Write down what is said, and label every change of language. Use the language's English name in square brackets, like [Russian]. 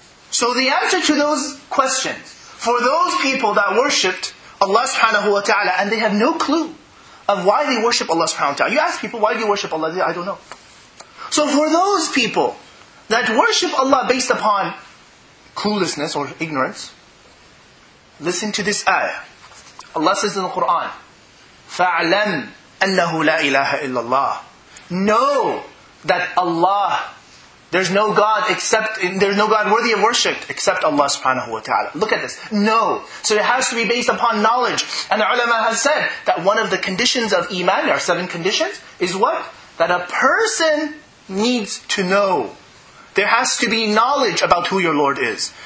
[English] So the answer to those questions, for those people that worshipped Allah subhanahu wa ta'ala, and they have no clue of why they worship Allah subhanahu wa ta'ala. You ask people, why do you worship Allah? They say, I don't know. So for those people that worship Allah based upon cluelessness or ignorance, listen to this ayah. Allah says in the Quran, [Arabic] فَعْلَمْ أَنَّهُ لَا إِلَهَ إِلَّا اللَّهِ. [English] Know that Allah, there's no God except, there's no God worthy of worship except Allah subhanahu wa ta'ala. Look at this. Know. So it has to be based upon knowledge. And the ulama has said that one of the conditions of iman, there are seven conditions, is what? That a person needs to know. There has to be knowledge about who your Lord is.